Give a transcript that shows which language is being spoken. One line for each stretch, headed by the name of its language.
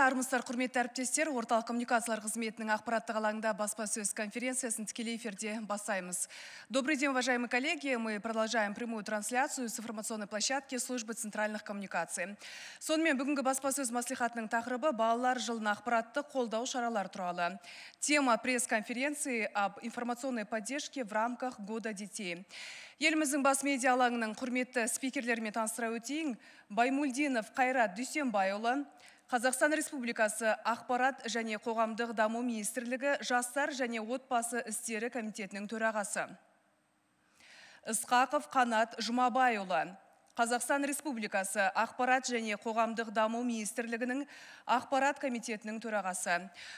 Kazakh: Армысыздар, құрметті әріптестер. Орталық коммуникациялар қызметінің ақпараттық алаңында баспасөз конференциясын тікелей эфирде бастаймыз.
Russian: Добрый день, уважаемые коллеги. Мы продолжаем прямую трансляцию с информационной площадки службы центральных коммуникаций.
Kazakh: Сонымен бүгінгі баспасөз мәслихатының тақырыбы балалар жылын ақпаратты қолдау шаралар туралы.
Russian: Тема пресс-конференции об информационной поддержке в рамках года детей.
Kazakh: Еліміздің бас медиа алаңының құрметті спикерлерімен таныстыра өтейін. Баймулдинов Қайрат Дүйсенбайұлы, Қазақстан Республикасы ақпарат және қоғамдық даму министрлігі жастар және отбасы істері комитетінің төрағасы. Ысқақов Қанат Жұмабайұлы, Қазақстан Республикасы ақпарат және қоғамдық даму министрлігінің ақпарат комитетінің төрағасы.